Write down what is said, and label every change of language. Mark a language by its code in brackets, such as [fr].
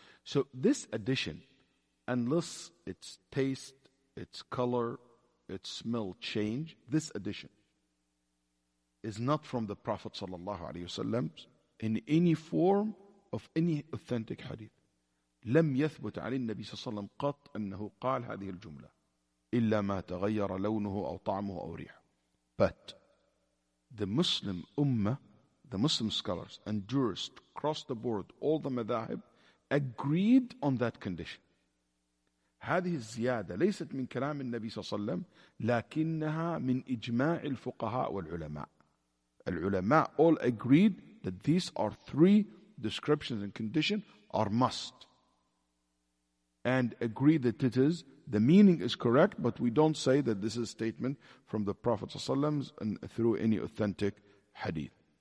[en] So this addition, unless its taste, its color, its smell change, this addition is not from the Prophet sallallahu alayhi wasallam in any form of any authentic hadith. [ar] لم يثبت عن النبي صلى الله عليه وسلم قط أنه قال هذه الجملة إلا ما تغير لونه أو طعمه أو ريحه. [en] But the Muslim Ummah, the Muslim scholars and jurists across the board, all the madhahib, agreed on that condition. [ar] هذه الزيادة ليست من كلام النبي صلى الله عليه وسلم لكنها من إجماع الفقهاء والعلماء. [en] العلماء all agreed that these are three descriptions and conditions are must. And agree that it is, the meaning is correct, but we don't say that this is a statement from the Prophet ﷺ and through any authentic hadith.